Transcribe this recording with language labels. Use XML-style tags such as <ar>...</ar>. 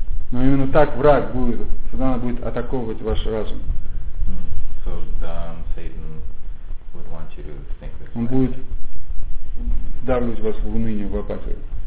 <ru>Но именно так враг будет, сюда она будет атаковывать ваш разум.</ru> <en>So, Satan would want you to think this way.</en> <ru>Он будет давить вас в уныние, в апатию.</ru>